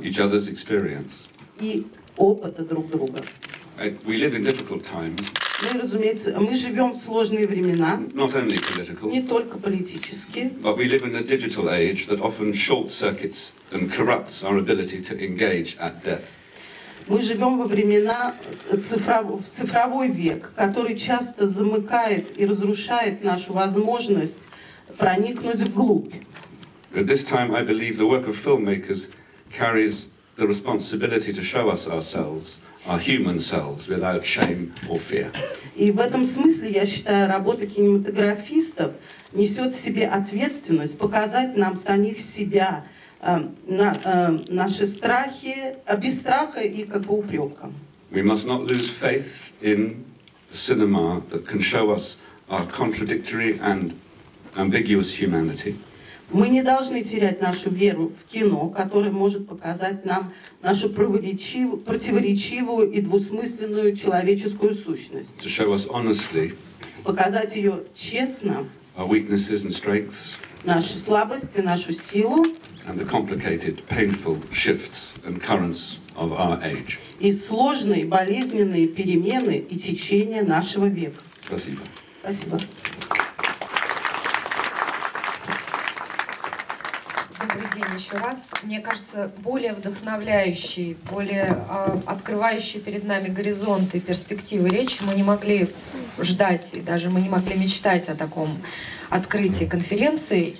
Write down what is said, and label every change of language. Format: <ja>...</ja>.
<en>Each other's experience.</en> <ru>И опыта друг друга.</ru> <en>We live in difficult times.</en> <ru>Ну и разумеется, мы живем в сложные времена,</ru> <en>not only political,</en> <ru>не только политические.</ru> <en>But we live in a digital age that often short circuits and corrupts our ability to engage at depth.</en> <ru>Мы живем во времена цифровой век, который часто замыкает и разрушает нашу возможность проникнуть вглубь.</ru> <en>At this time, I believe the work of filmmakers carries the responsibility to show us ourselves. Our human selves, without shame or fear.</en> <ru>И в этом смысле я считаю, работа кинематографистов несет в себе ответственность показать нам самих себя, наши страхи, без страха и как бы упрека.</ru> <en>We must not lose faith in cinema that can show us our contradictory and ambiguous humanity.</en> <ru>Мы не должны терять нашу веру в кино, которое может показать нам нашу противоречивую и двусмысленную человеческую сущность.</ru> <en>To show us honestly,</en> <ru>показать ее честно,</ru> <en>our weaknesses and strengths,</en> <ru>наши слабости, нашу силу,</ru> <en>and the complicated, painful shifts and currents of our age.</en> <ru>И сложные, болезненные перемены и течения нашего века. Спасибо. Спасибо. Еще раз, мне кажется, более вдохновляющие, более открывающие перед нами горизонты и перспективы речи мы не могли ждать, и даже мы не могли мечтать о таком открытии конференции.</ru>